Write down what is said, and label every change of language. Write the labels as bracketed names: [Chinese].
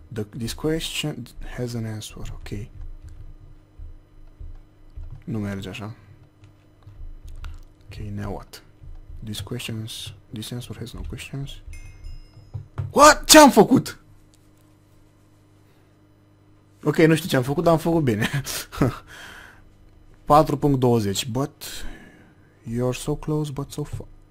[English] This question has an answer. Ok. [Romanian] Nu merge așa. [English] Okay, now what? This answer has no questions. What? [Romanian] Ce-am făcut? Ok, nu știu ce-am făcut, dar am făcut bine. [English] 4.20, but you're so close, but so far.